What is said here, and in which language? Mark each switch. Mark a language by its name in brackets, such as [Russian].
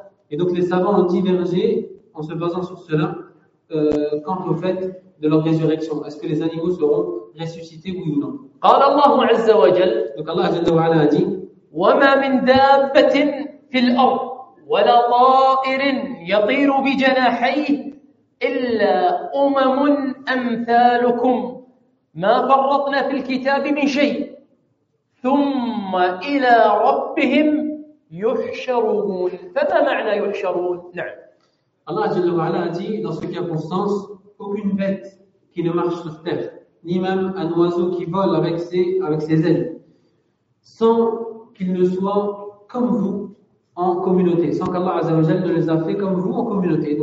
[French] Et donc les savants ont divergé en se basant sur cela quant au fait de leur résurrection. Est-ce que les animaux seront ressuscités oui ou non? [Arabic] قال الله عز وجل. [French] Donc Allah [Arabic] جل وعلا [French] a dit: [Arabic] وما من دابة في الأرض ولا طائر يطير بجناحيه إلا أمم أمثالكم ما فرطنا في الكتاب من شيء ثم إلى ربهم يحشرون. فما معنى يحشرون؟ نعم. [French] Allah [Arabic] جل وعلا [French] a dit: dans ce cas constance, aucune bête qui ne marche sur terre, ni même un oiseau qui vole avec ses ailes, sans qu'il ne soit comme vous en communauté, sans qu'Allah Azza wa Jalla ne les a fait comme vous en communauté.